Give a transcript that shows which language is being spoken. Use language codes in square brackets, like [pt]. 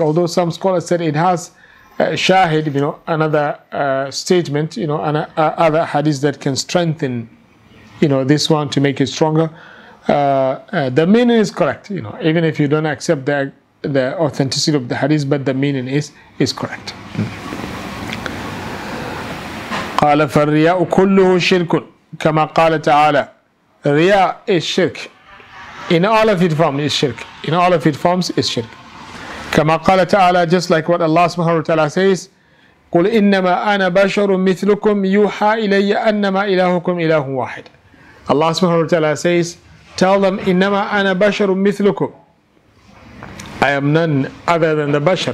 [en] Although some scholars said it has shahid, you know, another statement, you know, and other hadith that can strengthen, you know, this one to make it stronger. The meaning is correct, you know, even if you don't accept the authenticity of the hadith, but the meaning is correct. [ar] قَالَ فَالرِّيَاءُ كُلُّهُ شِرْكٌ كَمَا قَالَ تَعَالَى رِيَاء [en] is shirk. In all of its forms is shirk. In all of its forms is shirk. [ar] كما قال تعالى, [en] just like what Allah subhanahu wa ta'ala says, [ar] قُلْ إِنَّمَا أَنَا بَشَرٌ مِثْلُكُمْ يُوحَى إِلَيَّ أَنَّمَا إِلَهُكُمْ إِلَهٌ وَاحِدٌ [en] Allah subhanahu wa ta'ala says, tell them, [ar] إِنَّمَا أَنَا بَشَرٌ مِثْلُكُمْ [en] I am none other than the Bashar.